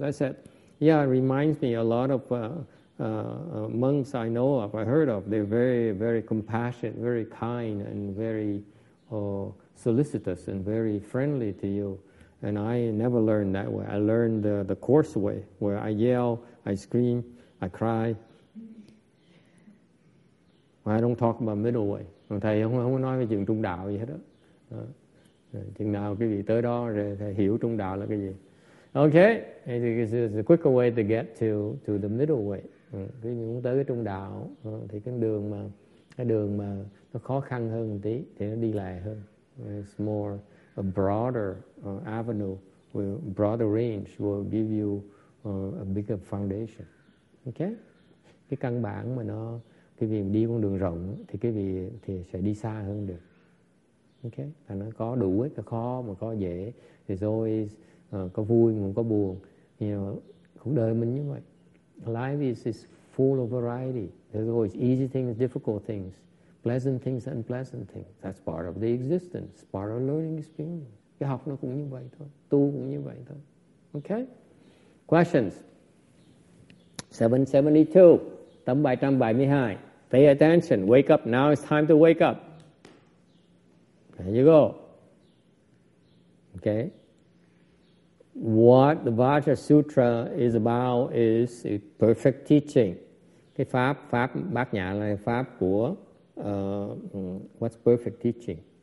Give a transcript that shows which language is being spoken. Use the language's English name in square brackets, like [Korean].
[English] I said, yeah, it reminds me a lot of monks I know of, I heard of. They're very, very compassionate, very kind, and very solicitous and very friendly to you. And I never learned that way. I learned the coarse way, where I yell, I scream, I cry. I don't talk about middle way. [Vietnamese] Thầy không nói về chuyện trung đạo gì hết đó. Chừng nào quý vị tới đó rồi thầy hiểu trung đạo là cái gì. [English] Okay, and this is a quicker way to get to the middle way. [Vietnamese] Quý vị muốn tới cái trung đạo thì cái đường mà nó khó khăn hơn một tí thì nó đi lại hơn. [English] It's more a broader avenue, with broader range will give you a bigger foundation. [Vietnamese] Okay, cái căn bản mà nó cái việc đi con đường rộng thì cái việc thì sẽ đi xa hơn được. Okay, và nó có đủ hết cả khó mà có dễ, thì rồi có vui cũng có buồn, you know, cuộc đời mình như vậy. [English] Life is full of variety. There's always easy things, difficult things, pleasant things, unpleasant things. That's part of the existence, part of learning experience. [Vietnamese] Cái học nó cũng như vậy thôi, tu cũng như vậy thôi. [English] Okay, questions. 772, [Vietnamese] tấm bài 172. [English] Pay attention, wake up, now it's time to wake up. There you go. Okay. What the Vajra Sutra is about is a perfect teaching. [Vietnamese] Cái pháp bát nhã là pháp của [English] what's perfect teaching?